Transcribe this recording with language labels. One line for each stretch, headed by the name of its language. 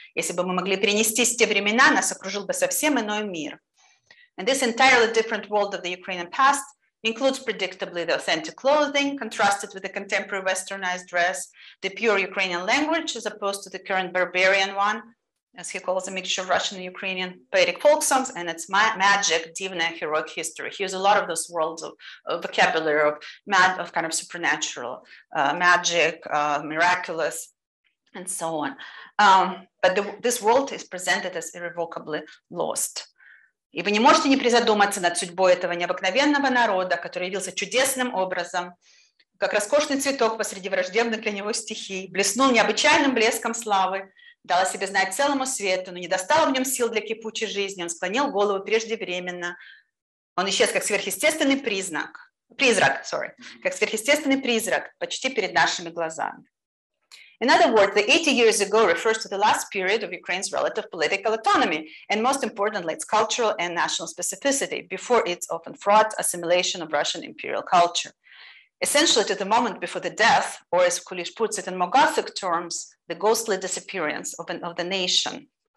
Russian: Если бы мы могли перенестись в те времена, нас окружил бы совсем иной мир.
English: And this entirely different world of the Ukrainian past includes predictably the authentic clothing contrasted with the contemporary westernized dress, the pure Ukrainian language as opposed to the current barbarian one, as he calls, a mixture of Russian and Ukrainian poetic folk songs, and it's magic, divine, heroic history. He uses a lot of those worlds of vocabulary of kind of supernatural, magic, miraculous, and so on. But this world is presented as irrevocably lost.
Russian: И вы не можете не призадуматься над судьбой этого необыкновенного народа, который явился чудесным образом, как роскошный цветок посреди враждебных для него стихий, блеснул необычайным блеском славы, дал о себе знать целому свету, но не достал в нем сил для кипучей жизни, он склонил голову преждевременно. Он исчез как сверхъестественный признак, призрак, sorry, как сверхъестественный призрак почти перед нашими глазами.
English: In other words, the 80 years ago refers to the last period of Ukraine's relative political autonomy, and most importantly, its cultural and national specificity, before its often fraught assimilation of Russian imperial culture. Essentially, to the moment before the death, or as Kulish puts it in more Gothic terms, the ghostly disappearance of the nation.